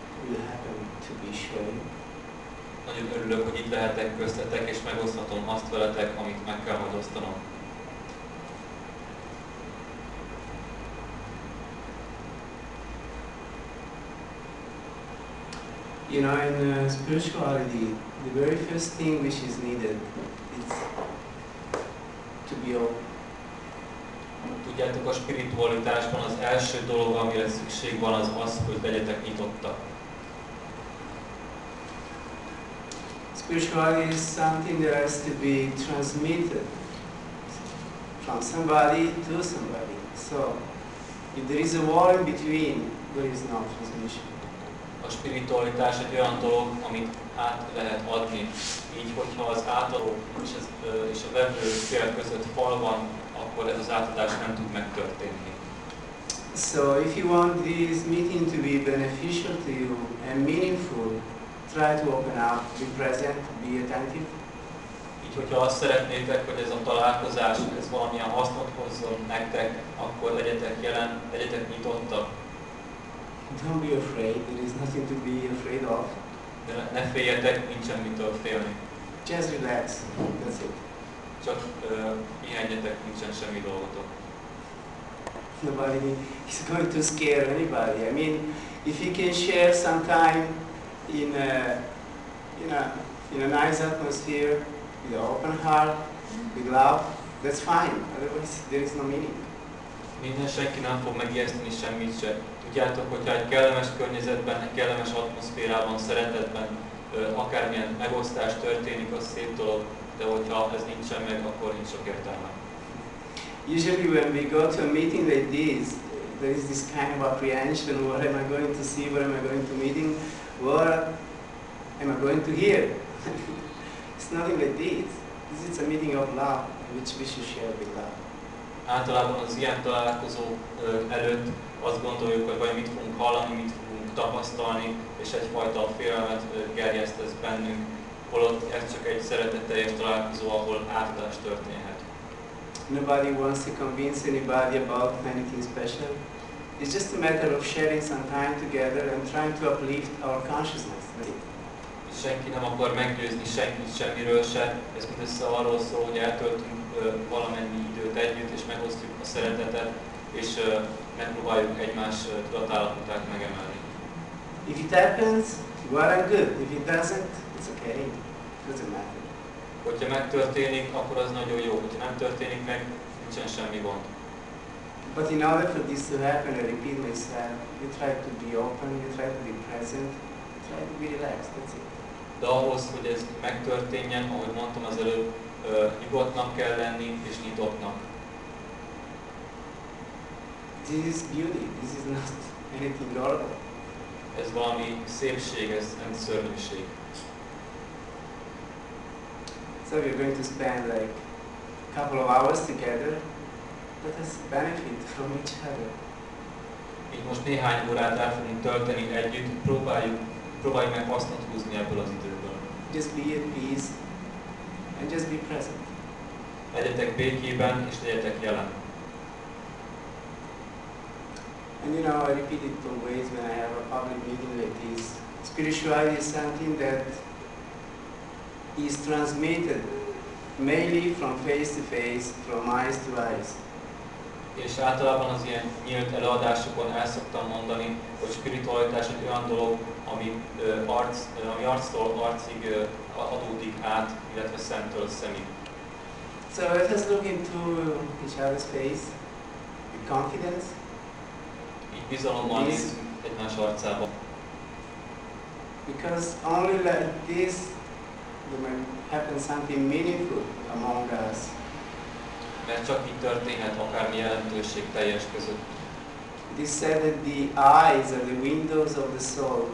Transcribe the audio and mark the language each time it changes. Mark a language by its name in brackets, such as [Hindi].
[English] will happen to be sharing. [Hungarian] Nagyon örülök, hogy itt lehetek köztetek, és megoszthatom azt veletek, amit meg kell majd osztanom. [English] You know, in spirituality, the very first thing which is needed is to be open. [Hungarian] Tudjátok, a spiritualitásban az első dolog, amire szükség van, az az, hogy legyetek nyitottak. [English] Spirituality is something that has to be transmitted from somebody to somebody. So, if there is a wall in between, there is no transmission. [Hungarian] A spiritualitás egy olyan dolog, amit át lehet adni. Így, hogyha az átadó és a vevő fél között fal van, akkor ez az átadás nem tud megtörténni. [English] So if you want this meeting to be beneficial to you and meaningful, try to open up, be present, be attentive. [Hungarian] Így, hogyha azt szeretnétek, hogy ez a találkozás ez valamilyen hasznot hozzon nektek, akkor legyetek jelen, legyetek nyitottak. [English] Don't be afraid, there is nothing to be afraid of. [Hungarian] De ne féljetek, nincsen mitől félni. [English] Just relax, that's it. [Hungarian] Csak pihenjetek, nincsen semmi dolgotok. [English] Nobody is going to scare anybody. I mean, if you can share some time in a nice atmosphere, with an open heart, with love, that's fine. Otherwise, there is no meaning. [Hungarian] Minden senki nem fog megijeszteni semmit se. Tudjátok, hogyha egy kellemes környezetben, egy kellemes atmoszférában, szeretetben akármilyen megosztás történik, az szép dolog, de hogyha ez nincsen meg, akkor nincs sok értelme. [English] Usually when we go to a meeting like this, there is this kind of apprehension, what am I going to see, what am I going to meeting, what am I going to hear? It's nothing like this. This is a meeting of love, which we should share with love. [Hungarian] Általában az ilyen találkozó előtt azt gondoljuk, hogy vajon mit fogunk hallani, mit fogunk tapasztalni, és egyfajta félelmet gerjeszt ez bennünk, holott ez csak egy szeretetteljes találkozó, ahol átadás történhet. [English] Nobody wants to convince anybody about anything special. It's just a matter of sharing some time together and trying to uplift our consciousness. [Hungarian] Senki nem akar meggyőzni senkit semmiről se, ez mindössze arról szól, hogy eltöltünk valamennyi időt együtt, és megosztjuk a szeretetet, és megpróbáljuk egymás tudatállapotát megemelni. [English] If it happens, you are good. If it doesn't, it's okay. It doesn't matter. [Hungarian] Hogyha megtörténik, akkor az nagyon jó. Hogyha nem történik meg, nincsen semmi gond. [English] But in order for this to happen, I repeat myself, you try to be open, you try to be present, you try to be relaxed, that's it. [Hungarian] De ahhoz, hogy ez megtörténjen, ahogy mondtam az előbb, nyugodtnak kell lenni és nyitottnak. [English] This is beauty, this is not anything normal. [Hungarian] Ez valami szépség, ez nem szörnyűség. [English] So we're going to spend like a couple of hours together. Let us benefit from each other. [Hungarian] Így most néhány órát el fogunk tölteni együtt, próbáljuk meg hasznot húzni ebből az időből. [English] Just be at peace and just be present. [Hungarian] Legyetek békében és legyetek jelen. [English] And you know, I repeat it always when I have a public meeting like this. Spirituality is something that is transmitted mainly from face to face, from eyes to eyes. [Hungarian] És általában az ilyen nyílt előadásokon el szoktam mondani, hogy spiritualitás egy olyan dolog, ami arctól arcig adódik át, illetve szemtől szemig. [English] So let us look into each other's face with confidence. [Hungarian] Így bizalommal nézünk egymás arcába. [English] Because only like this there may happen something meaningful among us. [Hungarian] Mert csak így történhet akármi jelentőség teljes között. [English] they said that the eyes are the windows of the soul.